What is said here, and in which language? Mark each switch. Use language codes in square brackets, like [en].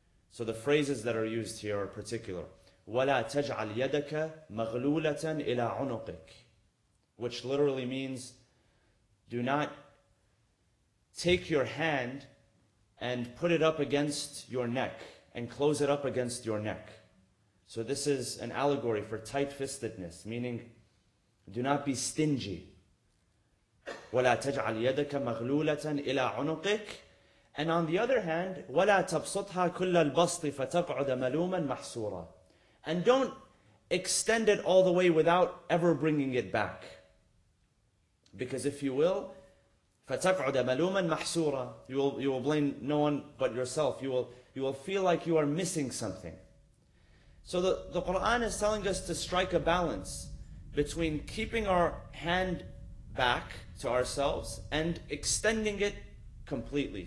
[en] So the phrases that are used here are particular. [ar] وَلَا تَجْعَلْ يَدَكَ مَغْلُولَةً إِلَىٰ عُنُقِكَ, [en] which literally means, do not take your hand and put it up against your neck and close it up against your neck. So this is an allegory for tight-fistedness, meaning do not be stingy. [ar] وَلَا تَجْعَلْ يَدَكَ مَغْلُولَةً إِلَىٰ عُنُقِكَ. [en] And on the other hand, [ar] وَلَا تَبْسُطْهَا كُلَّ الْبَسْطِ فَتَقْعُدَ مَلُومًا مَحْسُورًا. [en] And don't extend it all the way without ever bringing it back. Because if you will, [ar] فَتَقْعُدَ مَلُومًا مَحْسُورًا, [en] you will blame no one but yourself. You will feel like you are missing something. So the Quran is telling us to strike a balance between keeping our hand back to ourselves and extending it completely.